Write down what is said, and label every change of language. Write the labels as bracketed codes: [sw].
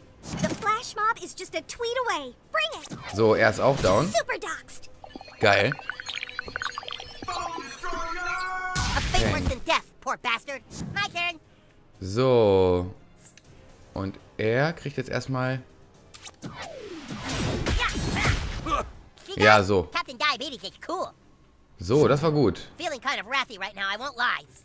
[en] The Flash Mob is just a tweet away. Bring it. [de] So, er ist auch down. [en] Super doxed. [de] Geil. [en] A fate worse than death, poor bastard. My turn. So. [de] Und er kriegt jetzt erstmal. Ja, so. [en] Captain Diabetes is cool. [de] So, das war gut. [en] Feeling kind of wrathy right now, I won't lie.